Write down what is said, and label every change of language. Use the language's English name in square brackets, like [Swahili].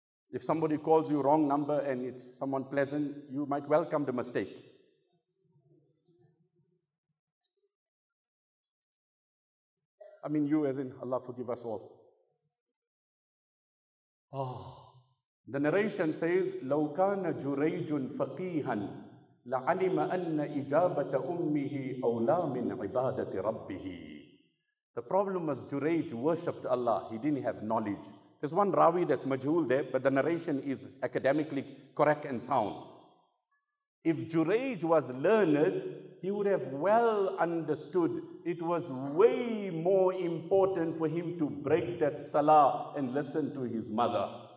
[English] If somebody calls you wrong number and it's someone pleasant, you might welcome the mistake. I mean you as in Allah forgive us all. Oh. The narration says, [Arabic] لَوْ كَانَ جُرَيْجٌ فَقِيهًا لَعَلِمَ أَنَّ إِجَابَةَ أُمِّهِ أَوْلَى مِنْ عِبَادَةِ رَبِّهِ. [English] The problem was Juraij worshipped Allah. He didn't have knowledge. There's one rawi that's majhul there, but the narration is academically correct and sound. If Juraij was learned, he would have well understood it was way more important for him to break that salah and listen to his mother.